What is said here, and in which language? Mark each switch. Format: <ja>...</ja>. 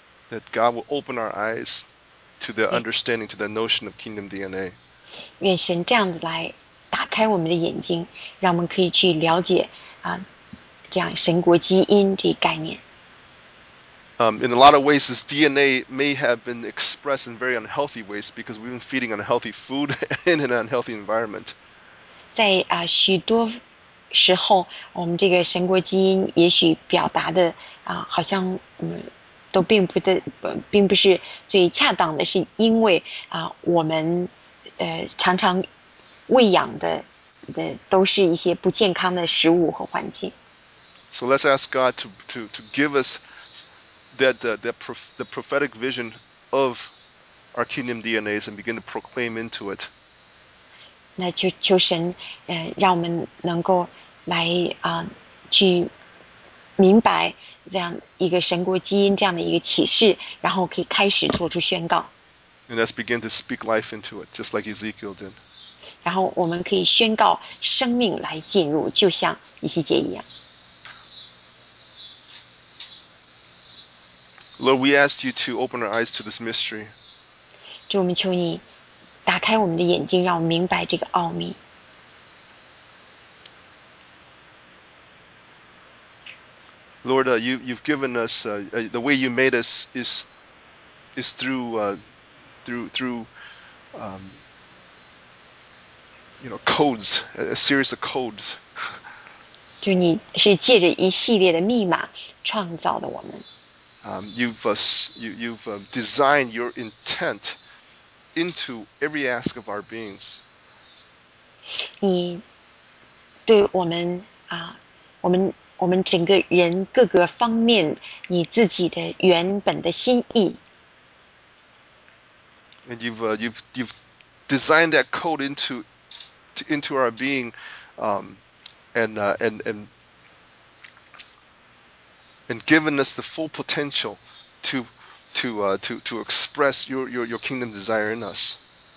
<en>That God will open our eyes to the understanding, to the notion of kingdom DNA.</en> <zh>愿神这样子来打开我们的眼睛，让我们可以去了解这样神国基因这个概念。</zh> <en>In a lot of ways, this DNA may have been expressed in very unhealthy ways because we've been feeding unhealthy food in an unhealthy environment.</en> <zh>在许多时候，我们这个神国基因也许表达的好像都并不的，并不是最恰当的，是因为我们常常喂养的都是一些不健康的食物和环境。</zh> <en>So let's ask God to give us the prophetic vision of our kingdom DNAs and begin to proclaim into it.</en> <zh>那求神，让我们能够来去明白这样一个神国基因这样的一个启示，然后可以开始做出宣告。</zh> <en>And let's begin to speak life into it, just like Ezekiel did.</en> <zh>然后我们可以宣告生命来进入，就像以西结一样。</zh> <en>Lord, we asked you to open our eyes to this mystery.</en> <zh>主，我们求你打开我们的眼睛，让我们明白这个奥秘。</zh> <en>Lord, you've given us the way you made us is through codes, a series of codes.</en> <zh>主，你是借着一系列的密码创造的我们。</zh> <en>You've designed your intent into every aspect of our beings.</en> <zh>你对我们我们整个人各个方面，你自己的原本的心意。</zh> <en>And you've designed that code into our being, and given us the full potential to express your kingdom desire in us.</en>